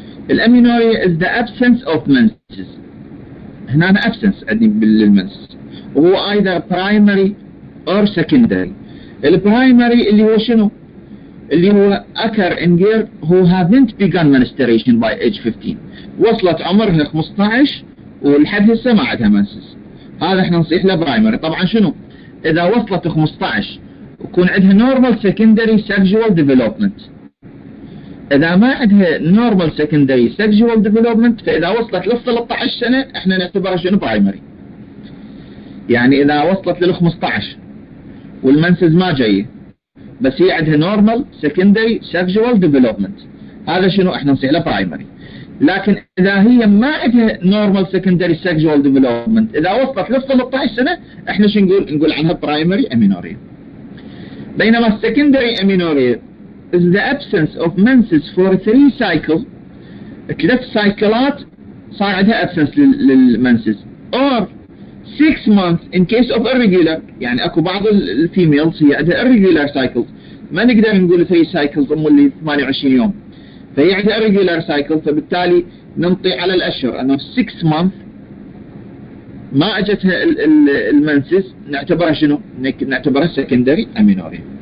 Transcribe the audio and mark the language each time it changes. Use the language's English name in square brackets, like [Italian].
[English] الامينوريا is the absence of menses. [Arabic] هنا أنا absence عندي بالمنس وهو [English] either primary or secondary. [Arabic] البرايمري اللي هو شنو؟ اللي هو [English] occur in girl who haven't begun menstruation by age 15. [Arabic] وصلت عمرها 15 ولحد هسه ما عندها منسز. هذا احنا نصيح له برايمري. طبعا شنو؟ اذا وصلت 15 وكون عندها [English] normal secondary sexual development. [Arabic] اذا ما عندها [English] normal secondary sexual development [Arabic] فاذا وصلت لل 13 سنه احنا نعتبرها شنو؟ برايمري. يعني اذا وصلت لل 15 والمنسز ما جايه بس هي عندها [English] normal secondary sexual development [Arabic] هذا شنو؟ احنا نصيح له برايمري. لكن اذا هي ما عندها [English] normal secondary sexual development [Arabic] اذا وصلت لل 13 سنه احنا شنو نقول؟ نقول عنها برايمري امينوريا. بينما السكندري امينوريا [English] is the absence of menses for three cycles. [Arabic] ثلاث سايكلات صار عندها absence للمنسز. [English] Or six months in case of irregular. [Arabic] يعني اكو بعض الفيميلز هي عندها [English] irregular cycles. [Arabic] ما نقدر نقول three cycles ضمن اللي 28 يوم. فهي عندها irregular cycle فبالتالي ننطي على الاشهر انه six months ما اجتها المنسز نعتبرها شنو؟ نعتبرها secondary amenorrhea.